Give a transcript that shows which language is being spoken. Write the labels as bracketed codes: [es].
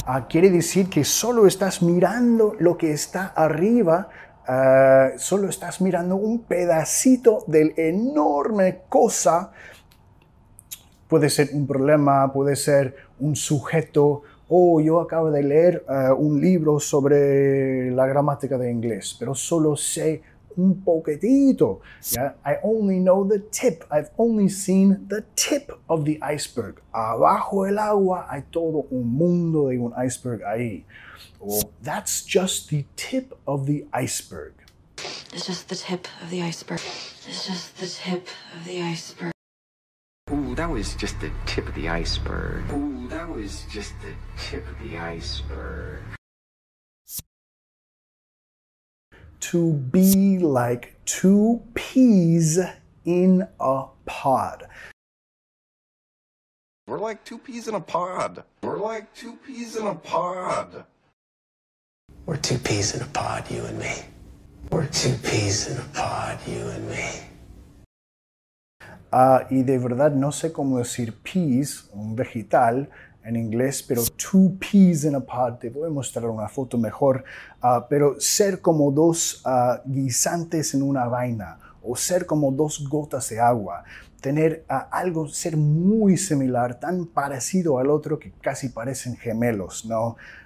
[es] Quiere decir que solo estás mirando lo que está arriba, solo estás mirando un pedacito del enorme cosa. Puede ser un problema, puede ser un sujeto. Yo acabo de leer un libro sobre la gramática de inglés, pero solo sé un poquitito. [en] Yeah? I only know the tip. I've only seen the tip of the iceberg. [es] Abajo el agua hay todo un mundo de un iceberg ahí. [en] That's just the tip of the iceberg. It's just the tip of the iceberg. It's just the tip of the iceberg. Ooh, that was just the tip of the iceberg. Ooh, that was just the tip of the iceberg. To be like two peas in a pod. We're like two peas in a pod. We're like two peas in a pod. We're two peas in a pod, you and me. We're two peas in a pod, you and me. [es] Y de verdad no sé cómo decir peas, un vegetal, en inglés, pero [en] two peas in a pod, [es] te voy a mostrar una foto mejor, pero ser como dos guisantes en una vaina, o ser como dos gotas de agua, tener algo, ser muy similar, tan parecido al otro que casi parecen gemelos, ¿no?